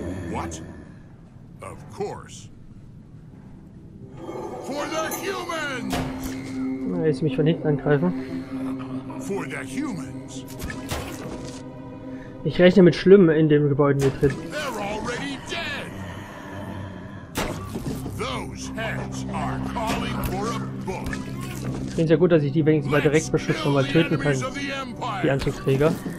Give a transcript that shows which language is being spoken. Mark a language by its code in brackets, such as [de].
[en] What? Of course. For the humans. [de] Lass mich von hinten angreifen. [en] For the humans. [de] Ich rechne mit Schlimmem in dem Gebäude hier drin. [en] They're already dead. Those heads are calling for a book. [de] Ich finde es ja gut, dass ich die wenigstens mal direkt beschütze und mal töten kann. Die Anzugträger.